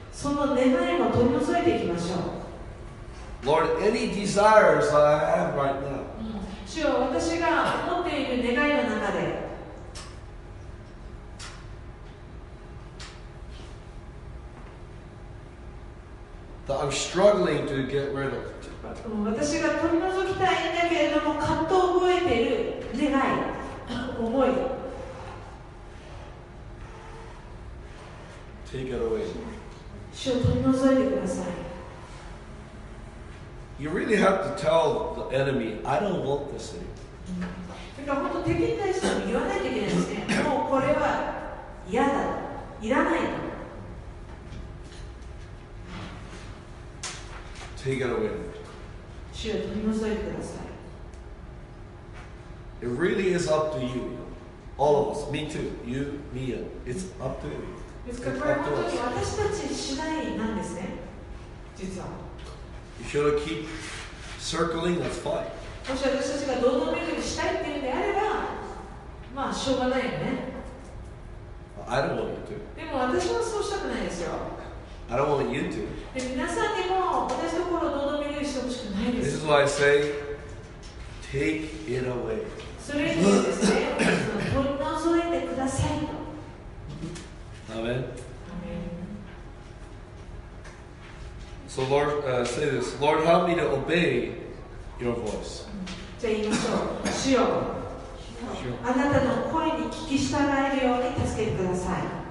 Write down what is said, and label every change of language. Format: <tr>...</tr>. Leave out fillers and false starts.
<ja>その願いも取り除いていきましょう。</ja> <en>Lord, any desires that I have right now.</en> <ja>主よ、私が持っている願いの中で。</ja> <en>That I'm struggling to get rid of.</en> <ja>私が取り除きたいんだけれども、葛藤を覚えている願い、思い。</ja> <en>Take it away.</en> <ja>主を取り除いてください。</ja> <en>You really have to tell the enemy, I don't want this thing.</en> <ja>だから本当敵に対しても言わないといけないですね。もうこれは嫌だ。いらないと。</ja> <en>Take it away.</en> <ja>主を取り除いてください。</ja> <en>It really is up to you. All of us. Me too. You, me, and it's up to you.</en> <ja>ですから、これは本当に私たち次第なんですね、実は。</ja> <en>If you want to keep circling, that's fine.</en> <ja>もし私たちが堂々巡りしたいっていうんであれば、まあ、しょうがないよね。</ja> <en>Well, I don't want you to.</en> <ja>でも私はそうしたくないですよ。</ja> <en>I don't want you to.</en> <ja>で、皆さんにも私のところ堂々巡りしてほしくないです。</ja> <en>This is why I say, take it away.</en> <ja>それにですね、取り除いてくださいと。</ja> <en>Amen. Amen. So Lord, say this. Lord, help me to obey your voice.</en> <ja>じゃあ言いましょう。主よ、あなたの声に聞き従えるように助けてください。</ja>